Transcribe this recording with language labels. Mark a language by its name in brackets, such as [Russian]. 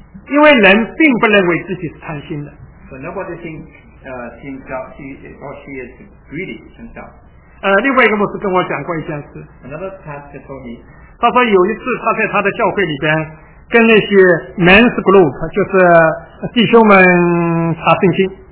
[Chinese] 因为人并不认为自己是贪心的。 [English] So nobody thinks himself she is greedy himself. [Chinese] 另外一个牧师跟我讲过一件事。 [English] Another pastor told me, [Chinese] 他说有一次他在他的教会里边跟那些 [English] men's group, [Chinese] 就是弟兄们查圣经。